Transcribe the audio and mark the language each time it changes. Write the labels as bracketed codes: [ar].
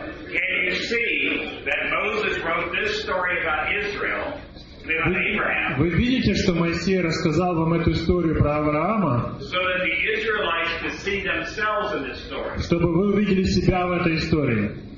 [en] Can you see that Moses wrote this story about Israel and about Abraham? [ru] Вы видите, что Моисей рассказал вам эту историю про Авраама? [en] So that the Israelites could see themselves in this story. [ru] Чтобы вы увидели себя в этой истории.